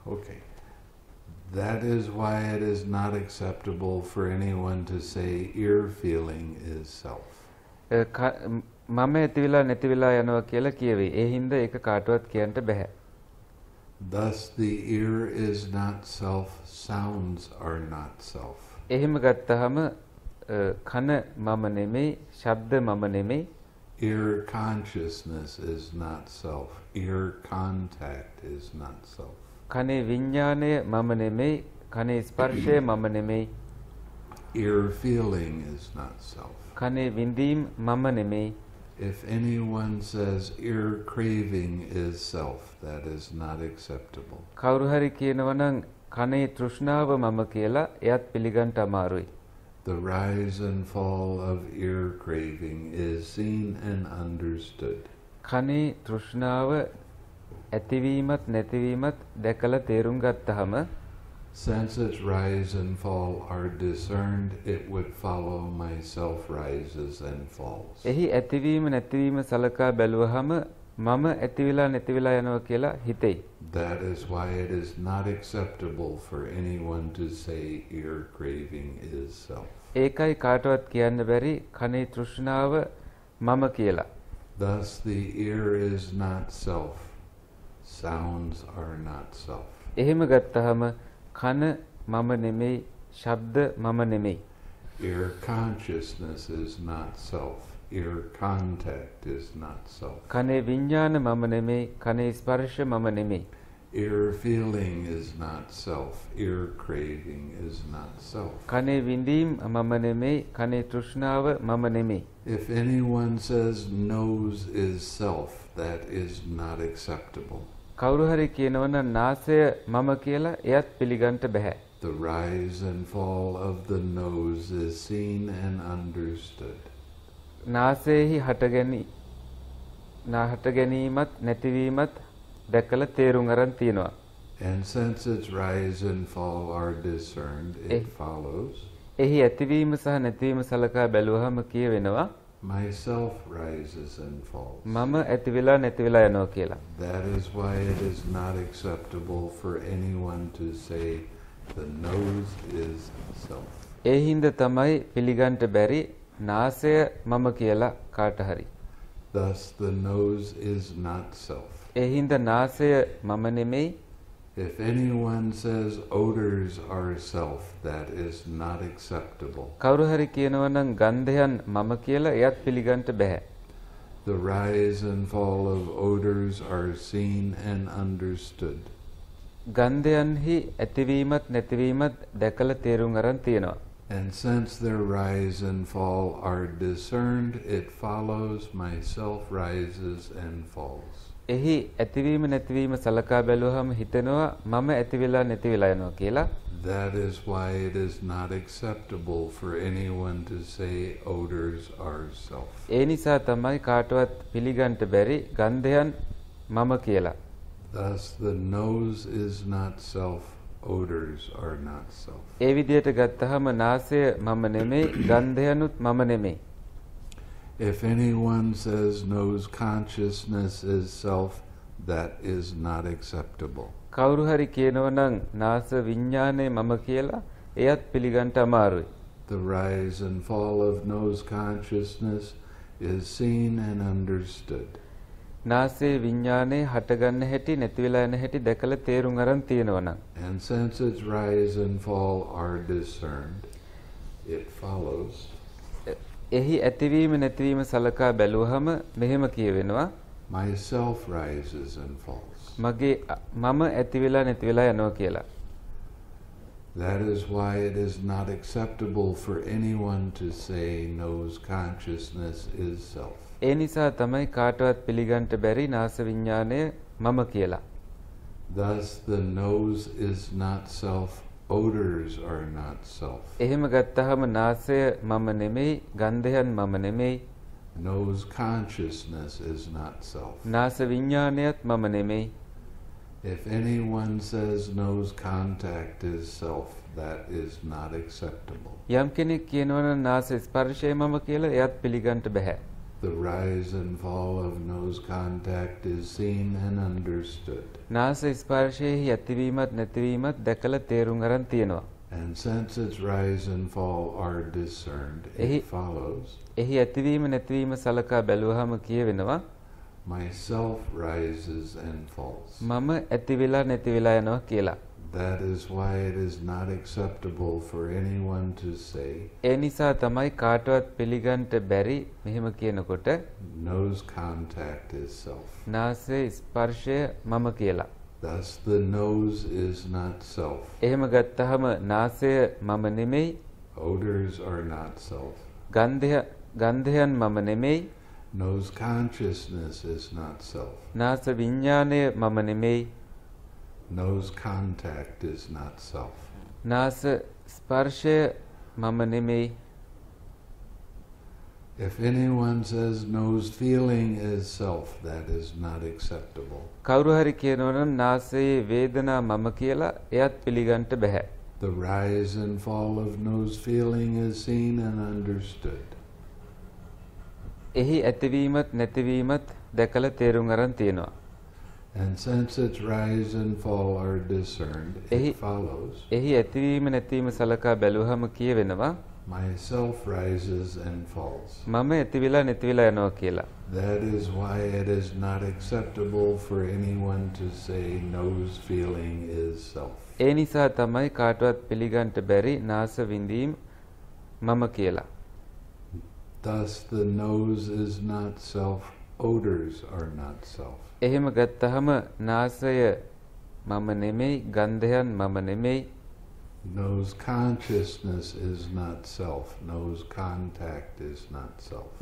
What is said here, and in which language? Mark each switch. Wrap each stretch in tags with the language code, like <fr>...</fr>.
<en>okay that is why it is not acceptable for anyone to say ear feeling is self</en> <si>මම ඇතිවිලා නැතිවිලා යනවා කියලා කියවේ. ඒ හින්දා ඒක කාටවත් කියන්න බෑ.</si> <en>Thus the ear is not self, sounds are not self.</en> <si>එහෙම ගත්තහම කන මම නෙමෙයි, ශබ්ද මම නෙමෙයි.</si> <en>Ear consciousness is not self. Ear contact is not self.</en> <si>කනේ විඥානය මම නෙමෙයි, කනේ ස්පර්ශය මම නෙමෙයි.</si> <en>Ear feeling is not self.</en> <si>කනේ විඳීම මම නෙමෙයි.</si> <en>If anyone says ear craving is self, that is not acceptable.</en> <si>කවුරු හරි කියනවනම් කනේ තෘෂ්ණාව මම කියලා එයත් පිළිගන්න අමාරුයි.</si> <en>The rise and fall of ear craving is seen and understood.</en> <si>කනේ තෘෂ්ණාව ඇතිවීමත් නැතිවීමත් දැකලා තේරුම් ගත්තහම</si> <en>Since its rise and fall are discerned, it would follow myself rises and falls.</en> <si>එහි ඇතිවීම නැතිවීම සලකා බැලුවහම මම ඇතිවිලා නැතිවිලා යනවා කියලා හිතෙයි.</si> <en>That is why it is not acceptable for anyone to say ear craving is self.</en> <si>ඒකයි කාටවත් කියන්න බැරි කනේ තෘෂ්ණාව මම කියලා.</si> <en>Thus the ear is not self. Sounds are not self.</en> <si>එහෙම ගත්තහම කන මම නෙමෙයි ශබ්ද මම නෙමෙයි</si> <en>ear consciousness is not self ear contact is not self</en> <si>කනේ විඥාන මම නෙමෙයි කනේ ස්පර්ශ මම නෙමෙයි</si> <en>ear feeling is not self ear craving is not self</en> <si>කනේ විඳීම මම නෙමෙයි කනේ තෘෂ්ණාව මම නෙමෙයි</si> <en>if anyone says nose is self that is not acceptable</en> <si>කවුරු හරි කියනවනම් නාසය මම කියලා එයත් පිළිගන්න බෑ.</si> <en>The rise and fall of the nose is seen and understood.</en> <si>නාසයෙහි හටගැනීමත් නැතිවීමත් දැකලා තේරුම් අරන් තියනවා.</si> <en>And since its rise and fall are discerned, it follows.</en> <si>එහි ඇතිවීම සහ නැතිවීම සලකා බැලුවහම කියවෙනවා</si> <en>Myself rises and falls.</en> <si>මම ඇතිවිලා නැතිවිලා යනවා කියලා.</si> <en>That is why it is not acceptable for anyone to say the nose is self.</en> <si>ඒ හින්දා තමයි පිළිගන්න බැරි නාසය මම කියලා කාට හරි.</si> <en>Thus the nose is not self.</en> <si>ඒ හින්දා නාසය මම නෙමෙයි.</si> <en>If anyone says odors are self, that is not acceptable.</en> <si>කවුරු හරි කියනවනම් ගන්ධයන් මම කියලා එයත් පිළිගන්න බෑ.</si> <en>The rise and fall of odors are seen and understood.</en> <si>ගන්ධයන්හි ඇතිවීමත් නැතිවීමත් දැකලා තේරුම් අරන් තියනවා.</si> <en>And since their rise and fall are discerned, it follows myself rises and falls.</en> <si>එහි ඇතිවීම නැතිවීම සලකා බැලුවහම හිතෙනවා මම ඇතිවිලා නැතිවිලා යනවා කියලා.</si> <en>That is why it is not acceptable for anyone to say odors are self.</en> <si>ඒ නිසා තමයි කාටවත් පිළිගන්න බැරි ගන්ධයන් මම කියලා.</si> <en>Thus the nose is not self, odors are not self.</en> <si>ඒ විදිහට ගත්තහම නාසය මම නෙමෙයි ගන්ධයනුත් මම නෙමෙයි.</si> <en>If anyone says knows consciousness is self, that is not acceptable.</en> <si>කවුරු හරි කියනවනම් නාස විඥානේ මම කියලා එයත් පිළිගන්න අමාරුයි.</si> <en>The rise and fall of knows consciousness is seen and understood.</en> <si>නාසේ විඥානේ හටගන්න හැටි නැතිවලා යන හැටි දැකලා තේරුම් අරන් තියෙනවනම්.</si> <en>And since its rise and fall are discerned, it follows.</en> <si>එහි ඇතිවීම නැතිවීම සලකා බැලුවහම මෙහෙම කියවෙනවා</si> <en>myself rises and falls</en> <si>මගේ මම ඇතිවිලා නැතිවිලා යනවා කියලා</si> <en>that is why it is not acceptable for anyone to say knows consciousness is self</en> <si>ඒ නිසා තමයි කාටවත් පිළිගන්න බැරි නාස විඥාණය මම කියලා</si> <en>thus the nose is not self Odors are not self.</en> <si>එහෙම ගත්තහම නාසය මම නෙමෙයි ගන්ධයන් මම නෙමෙයි.</si> <en>Nose consciousness is not self.</en> <si>නාස විඥානයත් මම නෙමෙයි.</si> <en>If anyone says nose contact is self, that is not acceptable.</en> <si>යම් කෙනෙක් කියනවනම් නාස ස්පර්ශය මම කියලා එයත් පිළිගන්න බෑ.</si> <en>The rise and fall of nose contact is seen and understood.</en> <si>නාසය ස්පර්ශයේ ඇතිවීමත් නැතිවීමත් දැකලා තේරුම් ගන්න තියෙනවා.</si> <en>And since its rise and fall are discerned, it follows.</en> <si>එහි ඇතිවීම නැතිවීම සලකා බැලුවහම කියවෙනවා.</si> <en>Myself rises and falls.</en> <si>මම ඇතිවිලා නැතිවිලා යනවා කියලා.</si> <en>That is why it is not acceptable for anyone to say.</en> <si>එනිසා තමයි කාටවත් පිළිගන්න බැරි මෙහෙම කියනකොට</si> <en>nose contact is self.</en> <si>නාසයේ ස්පර්ශය මම කියලා.</si> <en>Thus the nose is not self.</en> <si>එහෙම ගත්තහම නාසය මම නෙමෙයි.</si> <en>Odors are not self.</en> <si>ගන්ධයන් මම නෙමෙයි.</si> <en>Nose consciousness is not self.</en> <si>නාස විඥානය මම නෙමෙයි.</si> <en>Nose contact is not self.</en> <si>නාස ස්පර්ශය මම නෙමෙයි.</si> <en>If anyone says nose feeling is self, that is not acceptable.</en> <si>කවුරු හරි කියනවනම් නාසයේ වේදනා මම කියලා එයත් පිළිගන්න බෑ.</si> <en>The rise and fall of nose feeling is seen and understood.</en> <si>එහි ඇතිවීමත් නැතිවීමත් දැකලා තේරුම් අරන් තියෙනවා.</si> <en>And since its rise and fall are discerned, it follows.</en> <si>එහි ඇතිවීම නැතිවීම සලකා බැලුවහම කියවෙනවා.</si> <en>Myself rises and falls.</en> <si>මම ඇතිවිලා නැතිවිලා යනවා කියලා.</si> <en>That is why it is not acceptable for anyone to say nose feeling is self.</en> <si>ඒ නිසා තමයි කාටවත් පිළිගන්න බැරි නාස විඳීම මම කියලා.</si> <en>Thus the nose is not self, odors are not self.</en> <si>එහෙම ගත්තහම නාසය මම නෙමෙයි ගන්ධයන් මම නෙමෙයි</si> <en>nose consciousness is not self nose contact is not self</en>